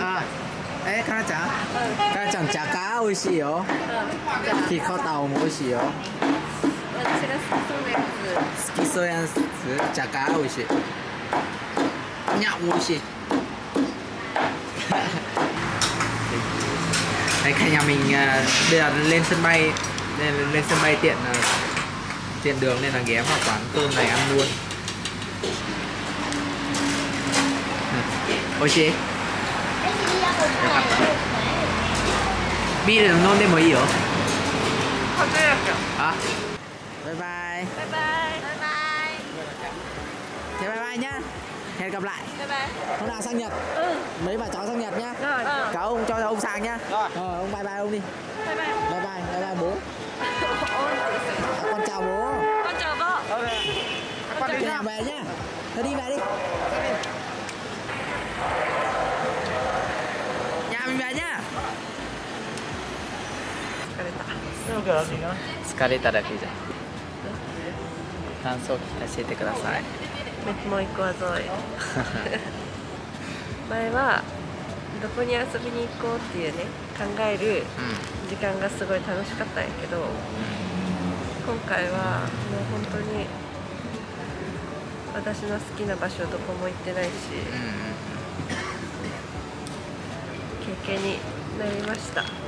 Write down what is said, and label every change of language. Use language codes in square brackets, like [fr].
[ja] あ、かなちゃん。かなちゃんジャガー美味しいよ。ピコタオも美味しいよ。私が好きそうなやつ。好きそうやつジャガー美味しい。にゃ美味しい。 [vi] Đấy, cả nhà mình bây giờ lên sân bay nên lên sân bay tiện đường nên là ghé vào quán cơm này ăn luôn. Ôi chị biết được ngon đến mấy hiểu không chưa được hả. [en] Bye bye [vi] thế [en] bye bye [vi] nhá. Hẹn gặp lại. [en] Bye bye. [vi] Hôm nào sang Nhật. Ừ. Mấy bà cháu sang Nhật nhá. Rồi. Cả ông cho ông sang nhá. Rồi. Ông [en] bye bye [vi] ông đi. [en] Bye bye. Bye bye. Bye bye [vi] bố. Con chào bố. Con chào vợ. Ok. Con chào về nhá. Thôi đi về đi. Nhà mình về nhá. Scarlett. Scarlett đã đi rồi. [ja] 感想を教えてください。もう一個はぞい前はどこに遊びに行こうっていうね考える時間がすごい楽しかったんやけど、うん、今回はもう本当に私の好きな場所どこも行ってないし、うん、経験になりました。